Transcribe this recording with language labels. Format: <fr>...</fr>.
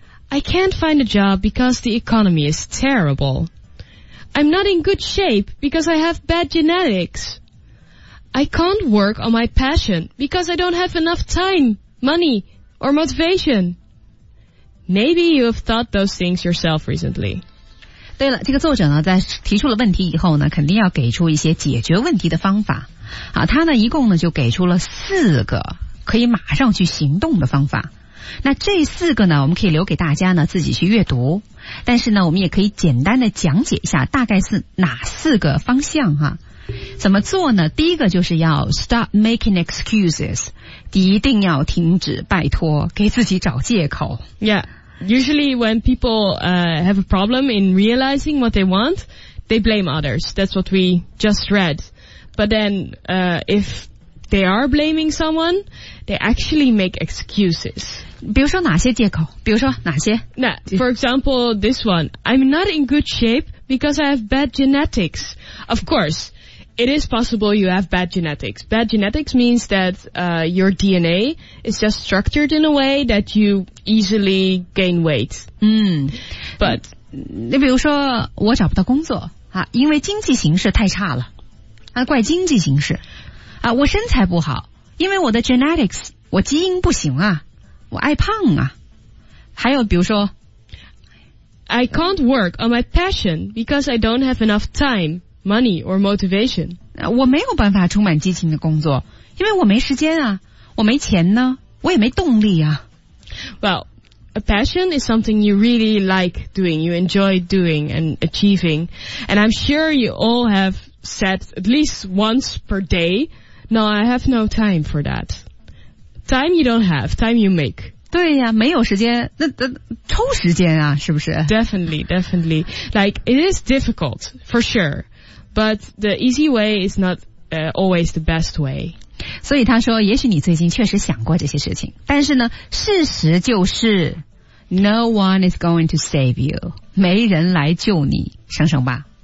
<en>I can't find a job because the economy is terrible. I'm not in good shape because I have bad genetics. I can't work on my passion because I don't have enough time, money, or motivation. Maybe you have thought those things yourself recently.</en> <zh>对了，这个作者呢，在提出了问题以后呢，肯定要给出一些解决问题的方法。啊，他呢，一共呢，就给出了四个可以马上去行动的方法。那这四个呢，我们可以留给大家呢自己去阅读，但是呢我们也可以简单的讲解一下大概是哪四个方向哈。怎么做呢？第一个就是要</zh> <en>stop making excuses，</en> <zh>一定要停止，拜托给自己找借口。</zh> <en>Yeah, usually when people have a problem in realizing what they want, they blame others. That's what we just read. But then if they are blaming someone, they actually make excuses.</en> <zh>比如说哪些借口？比如说哪些？</zh> <en>那 ，for example, this one. I'm not in good shape because I have bad genetics. Of course, it is possible you have bad genetics. Bad genetics means that your DNA is just structured in a way that you easily gain weight. But</en> <zh>你比如说我找不到工作啊，因为经济形势太差了，啊，怪经济形势。啊，我身材不好，因为我的 genetics， 我基因不行啊，我爱胖啊。还有比如说</zh> <en>I can't work on my passion because I don't have enough time, money or motivation.</en> <zh>我没有办法充满激情的工作，因为我没时间啊，我没钱呢，我也没动力啊。</zh> <en>Well, a passion is something you really like doing, you enjoy doing and achieving, and I'm sure you all have said at least once per day, no, I have no time for that. Time you don't have, time you make.</en> <zh>对呀，没有时间，那抽时间啊，是不是</zh> <en>？Definitely, definitely. Like it is difficult for sure, but the easy way is not always the best way.</en> <zh>所以他说，也许你最近确实想过这些事情，但是呢，事实就是 ，</zh> <en>No one is going to save you.</en> <zh>没人来救你，生生吧。</zh>